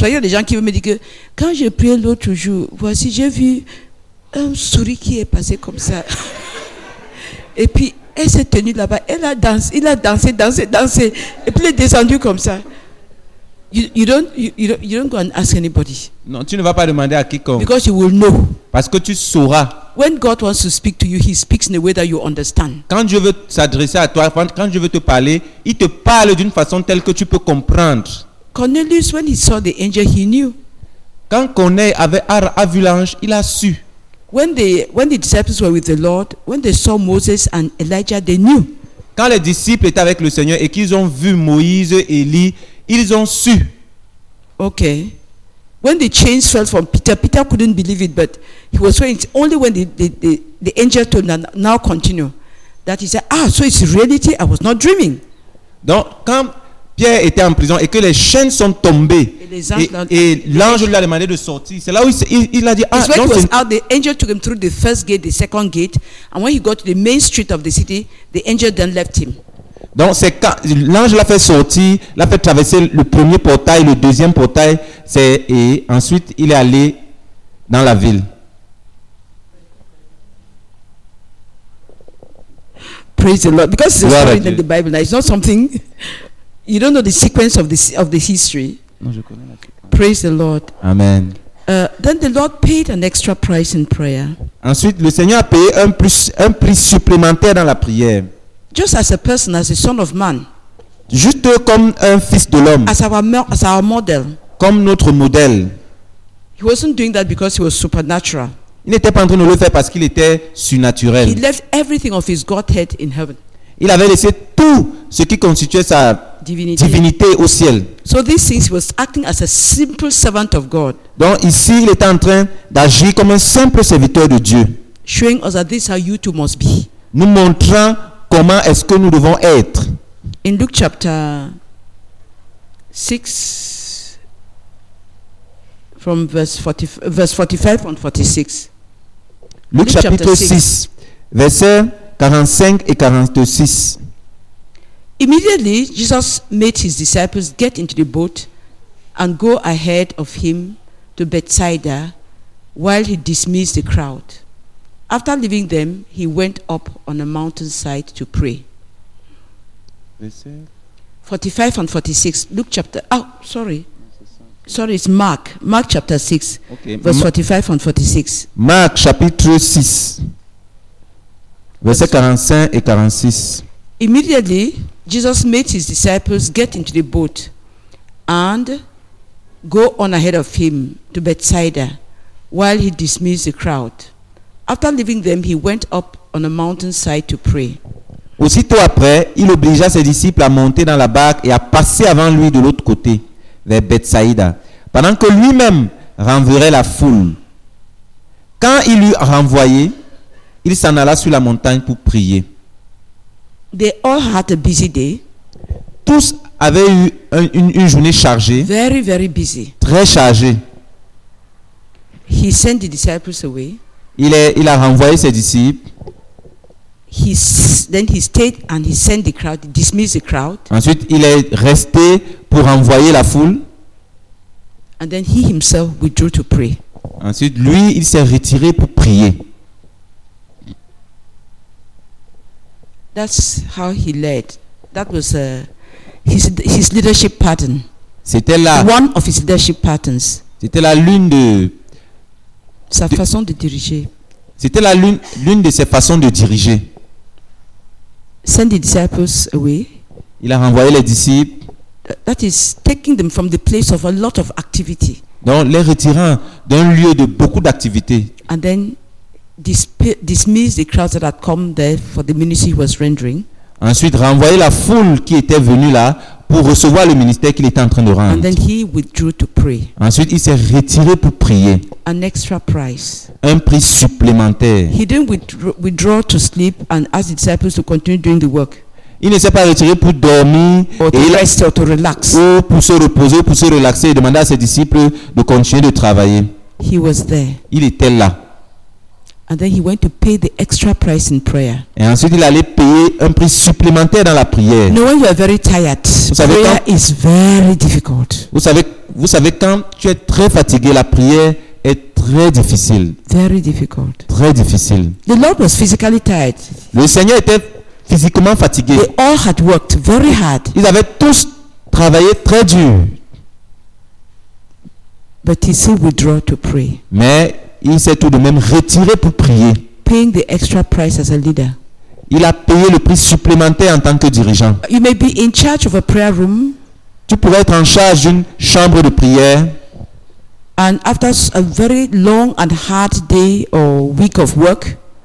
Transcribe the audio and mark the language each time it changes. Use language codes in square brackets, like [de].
[fr] Il y a des gens qui me disent que quand j'ai prié l'autre jour, voici, j'ai vu un souris qui est passé comme ça. Et puis, elle s'est tenue là-bas. Elle a dansé, il a dansé. Et puis, elle est descendue comme ça. [en] You don't go and ask anybody. [fr] Non, tu ne vas pas demander à quiconque. [en] Because you will know. [fr] Parce que tu sauras. [en] When God wants to speak to you, He speaks in a way that you understand. [fr] Quand Dieu veut s'adresser à toi, quand Dieu veut te parler, il te parle d'une façon telle que tu peux comprendre. [en] Cornelius, when he saw the angel, he knew. [fr] Quand Cornelius a vu l'ange, il a su. [en] When the disciples were with the Lord, when they saw Moses and Elijah, they knew. [fr] Quand les disciples étaient avec le Seigneur et qu'ils ont vu Moïse et Élie, ils ont su. [en] Okay. When the chains fell from Peter couldn't believe it, but he was saying it's only when the angel told him now continue that he said, ah, so it's reality, I was not dreaming. [fr] Donc quand Pierre était en prison et que les chaînes sont tombées et l'ange lui a demandé de sortir, c'est là où il a dit, ah, [en] when he was out, the angel took him through the first gate, the second gate, and when he got to the main street of the city, the angel then left him. [fr] Donc c'est quand l'ange l'a fait sortir, l'a fait traverser le premier portail, le deuxième portail, et ensuite il est allé dans la ville. [en] Praise the Lord, because it's a story in the Bible. Now it's not something you don't know the sequence of the history. [fr] Non, je connais la sequence. [en] Praise the Lord. Amen. Then the Lord paid an extra price in prayer. [fr] Ensuite le Seigneur a payé un prix supplémentaire dans la prière. [en] Just as a person, as a son of man. [fr] Juste comme un fils de l'homme. [en] As our model. [fr] Comme notre modèle. [en] He wasn't doing that because he was supernatural. [fr] Il n'était pas en train de le faire parce qu'il était surnaturel. [en] He left everything of his Godhead in heaven. [fr] Il avait laissé tout ce qui constituait sa divinité au ciel. [en] So these things, he was acting as a simple servant of God. [fr] Donc ici, il était en train d'agir comme un simple serviteur de Dieu. [en] showing us that this is how you too must be. [fr] Nous montrant comment est-ce que nous devons être. [en] In Luke chapter 6 from verse 45 and 46. [fr] Luke chapter 6 verset 45 et 46. [en] Immediately Jesus made his disciples get into the boat and go ahead of him to Bethsaida while he dismissed the crowd. After leaving them, he went up on a mountainside to pray. 45 and 46. Luke chapter. Oh, sorry. Sorry, it's Mark. Mark chapter 6. Okay. Verse 45 and 46. Mark chapter 6. Verse 45 and 46. Immediately, Jesus made his disciples get into the boat and go on ahead of him to Bethsaida while he dismissed the crowd. After leaving them, he went up on a mountainside to pray. [fr] Aussitôt après, il obligea ses disciples à monter dans la barque et à passer avant lui de l'autre côté, vers Bethsaida, pendant que lui-même renverrait la foule. Quand il l'eut renvoyé, il s'en alla sur la montagne pour prier. [en] They all had a busy day. [fr] Tous avaient eu une journée chargée. [en] Very, very busy. [fr] Très chargée. [en] He sent the disciples away. [fr] Il a renvoyé ses disciples. [en] Then he stayed and he sent the crowd, dismissed the crowd. [fr] Ensuite, il est resté pour renvoyer la foule. [en] And then he himself withdrew to pray. [fr] Ensuite, lui, il s'est retiré pour prier. [en] That's how he led. That was his leadership pattern. [fr] C'était là. [en] One of his leadership patterns. [fr] C'était là l'une de sa façon de diriger. C'était là l'une de ses façons de diriger. [en] Send the disciples away. [fr] Il a renvoyé les disciples. [en] That is taking them from the place of a lot of activity. [fr] Donc les retirant d'un lieu de beaucoup d'activités. [en] And then dismiss the crowds that had come there for the ministry he was rendering. [fr] Ensuite renvoyer la foule qui était venue là pour recevoir le ministère qu'il était en train de rendre. [en] And then he withdrew to pray. [fr] Ensuite, il s'est retiré pour prier. [en] An extra price. [fr] Un prix supplémentaire. [en] He didn't withdraw to sleep and ask the disciples to continue doing the work. [fr] Il ne s'est pas retiré pour dormir [en] Or to relax. [fr] Ou pour se reposer, pour se relaxer et demander à ses disciples de continuer de travailler. [en] He was there. [fr] Il était là. [en] And then he went to pay the extra price in prayer. [fr] Et ensuite il allait payer un prix supplémentaire dans la prière. [en] Knowing you are very tired. Prayer is very difficult. [fr] Vous savez quand tu es très fatigué, la prière est très difficile. [en] Very difficult. [fr] Très difficile. [en] The Lord was physically tired. [fr] Le Seigneur était physiquement fatigué. [en] They all had worked very hard. [fr] Ils avaient tous travaillé très dur. [en] But he still withdrew to pray. [fr] Mais il s'est tout de même retiré pour prier. [en] Paying the extra price as a leader. [fr] Il a payé le prix supplémentaire en tant que dirigeant. [en] You may be in charge of a prayer room. [fr] Tu pourrais être en charge d'une chambre de prière. [en] And after a very long and hard day or week of work.